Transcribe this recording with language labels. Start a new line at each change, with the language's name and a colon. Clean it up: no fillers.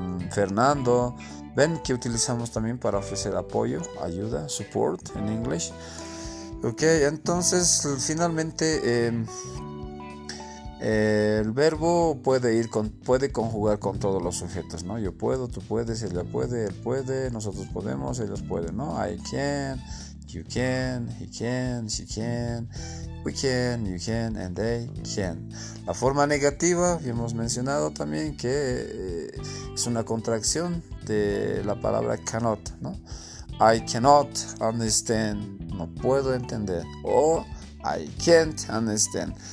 Spanish: Fernando, ven que utilizamos también para ofrecer apoyo, ayuda, support en inglés. Ok, entonces finalmente el verbo puede conjugar con todos los sujetos, ¿no? Yo puedo, tú puedes, ella puede, él puede, nosotros podemos, ellos pueden, ¿no?
English: I can, you can, he can, she can, we can, you can, and they can.
Spanish: La forma negativa, hemos mencionado también que es una contracción de la palabra cannot, ¿no?
English: I cannot understand,
Spanish: no puedo entender, o
English: I can't understand.